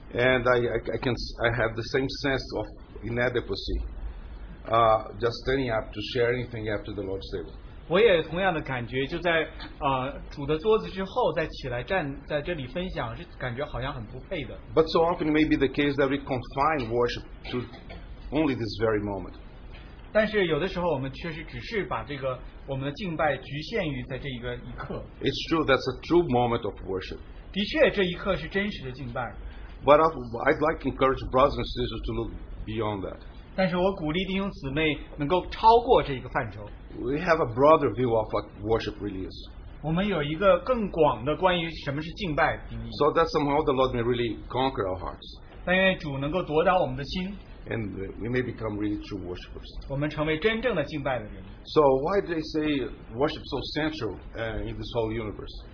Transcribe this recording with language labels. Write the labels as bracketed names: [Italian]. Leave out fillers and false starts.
[English] And I have the same sense of inadequacy, just standing up to share anything after the Lord's table. [Chinese] 我也同样的感觉，就在主的桌子之后再起来站在这里分享，是感觉好像很不配的。 [English] But so often may be the case that we confine worship to only this very moment. [Chinese] 但是有的时候我们确实只是把这个我们的敬拜局限于在这一个一刻。 [English] It's true, that's a true moment of worship. [Chinese] 的确，这一刻是真实的敬拜。 [English] But I'd like to encourage brothers and sisters to look beyond that. [Chinese] 但是我鼓励弟兄姊妹能够超过这一个范畴。 [English] We have a broader view of what worship really is. So that somehow the Lord may really conquer our hearts. And we may become really true worshippers. So why do they say worship so central in this whole universe?